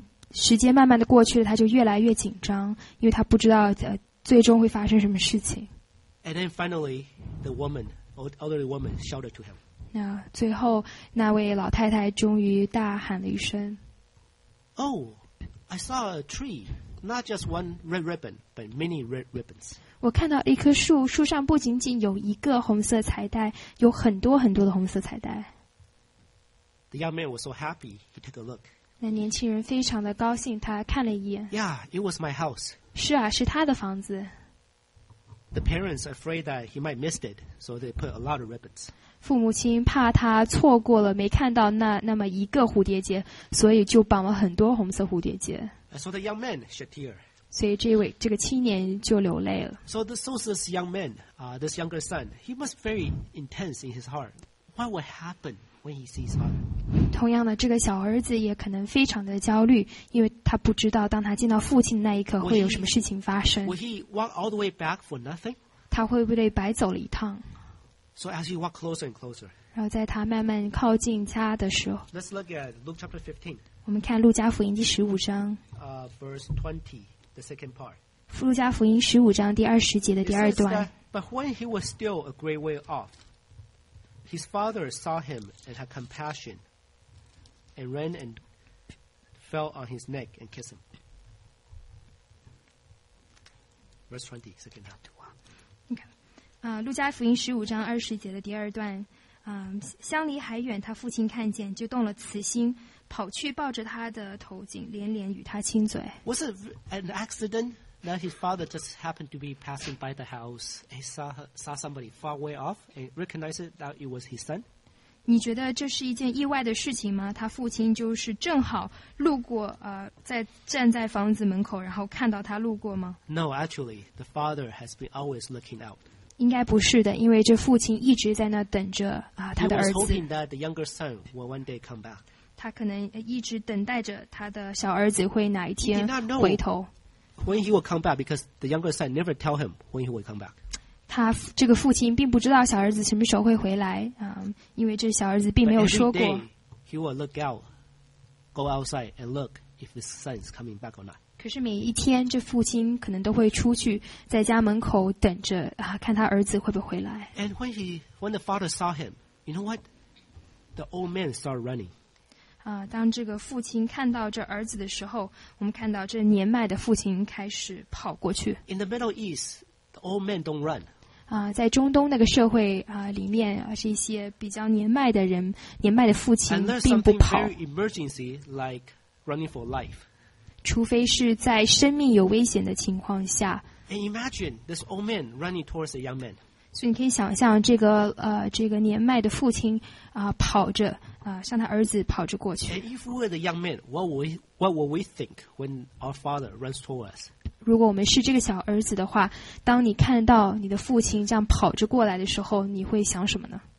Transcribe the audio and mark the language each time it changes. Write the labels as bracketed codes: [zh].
[zh] 时间慢慢的过去了，他就越来越紧张，因为他不知道最终会发生什么事情。 [en] And then finally, the woman, old elderly woman, shouted to him. [zh] 那最后那位老太太终于大喊了一声。 [en] Oh, I saw a tree, not just one red ribbon, but many red ribbons. [zh] 我看到一棵树，树上不仅仅有一个红色彩带，有很多很多的红色彩带。 [en] The young man was so happy. He took a look. [zh] 那年轻人非常的高兴，他看了一眼。 [en] Yeah, it was my house. [zh] 是啊，是他的房子。 [en] The parents afraid that he might miss it, so they put a lot of ribbons. [zh] 父母亲怕他错过了，没看到那么一个蝴蝶结，所以就绑了很多红色蝴蝶结。 [en] So the young man shed tears. [zh] 所以这个青年就流泪了。 [en] So this young man, this younger son, he was very intense in his heart. What would happen when he sees her? [zh] 同样的，这个小儿子也可能非常的焦虑，因为他不知道当他见到父亲那一刻会有什么事情发生。 [en] Will he walk all the way back for nothing? [zh] 他会不会白走了一趟 [en] ？So as he walk closer and closer. [zh] 然后在他慢慢靠近家的时候 [en] ，Let's look at Luke chapter 15. [zh] 我们看路加福音第十五章。 [en] Verse 20, the second part. [zh] 路加福音十五章第二十节的第二段。 [en] But when he was still a great way off, his father saw him and had compassion. And ran and fell on his neck and kissed him. Verse 20, second half. Okay. [zh] 路加福音十五章二十节的第二段，相离还远，他父亲看见就动了慈心，跑去抱着他的头颈，连连与他亲嘴。 [en] Was it an accident that his father just happened to be passing by the house and saw somebody far way off and recognized that it was his son? [zh] 你觉得这是一件意外的事情吗？他父亲就是正好路过，在站在房子门口，然后看到他路过吗 [en] ？No, actually, the father has been always looking out. [zh] 应该不是的，因为这父亲一直在那等着他的儿子。 [en] He was hoping that the younger son will one day come back. [zh] 他可能一直等待着他的小儿子会哪一天回头。 [en] When he will come back, because the younger son never tell him when he will come back. [zh] 他这个父亲并不知道小儿子什么时候会回来，因为这小儿子并没有说过。 [en] He will look out, go outside and look if his son is coming back or not. [zh] 可是每一天，这父亲可能都会出去，在家门口等着啊，看他儿子会不会回来。 [en] And when the father saw him, you know what? The old man started running. [zh] 当这个父亲看到这儿子的时候，我们看到这年迈的父亲开始跑过去。 [en] In the Middle East, the old men don't run. [zh] 在中东那个社会里面，是一些比较年迈的人，年迈的父亲并不跑。 [en] Unless something very emergency, like running for life. [zh] 除非是在生命有危险的情况下。 [en] And imagine this old man running towards a young man. [zh] 所以你可以想象这个年迈的父亲跑着向他儿子跑着过去。 [en] And if we're the young man, what will we think when our father runs towards us? [zh] 如果我们是这个小儿子的话，当你看到你的父亲这样跑着过来的时候，你会想什么呢？